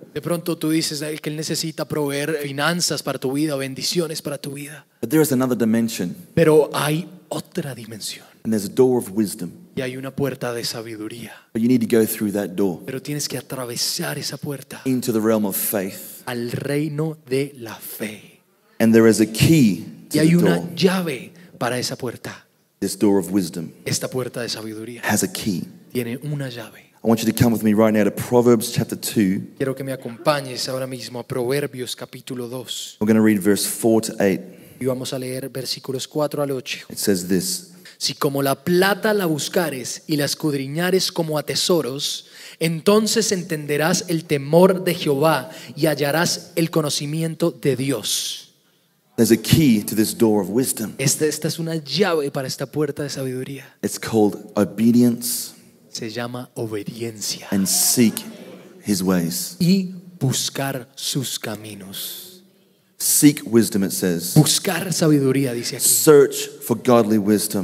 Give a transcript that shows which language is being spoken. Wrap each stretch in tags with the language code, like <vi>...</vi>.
<es>De pronto tú dices a él que él necesita proveer finanzas para tu vida, bendiciones para tu vida.</es> <en>But there is another dimension.</en> <es>Pero hay otra dimensión.</es> <en>And there's a door of wisdom.</en> <es>Y hay una puerta de sabiduría.</es> <en>But you need to go through that door.</en> <es>Pero tienes que atravesar esa puerta.</es> <en>Into the realm of faith.</en> <es>Al reino de la fe.</es> <en>And there is a key to</en> <es>y hay</es> <en>the</en> <es>una</es> <en>door.</en> <es>Llave para esa puerta.</es> <en>This door of wisdom.</en> <es>Esta puerta de sabiduría.</es> <en>Has a key.</en> <es>Tiene una llave.</es> <en>I want you to come with me right now to Proverbs chapter 2.</en> <es>Quiero que me acompañes ahora mismo a Proverbios capítulo 2.</es> <en>We're going to read verse 4 to 8.</en> <es>Y vamos a leer versículos 4 al 8.</es> <en>It says this.</en> <es>Si como la plata la buscares y la escudriñares como a tesoros, entonces entenderás el temor de Jehová y hallarás el conocimiento de Dios.</es> <en>There's a key to this door of wisdom.</en> <es>Esta es una llave para esta puerta de sabiduría.</es> <en>It's called obedience.</en> <es>Se llama obediencia.</es> <en>And seek his ways.</en> <es>Y buscar sus caminos.</es> <en>Seek wisdom, it says.</en> <es>Buscar sabiduría, dice aquí.</es> <en>Search for godly wisdom.</en>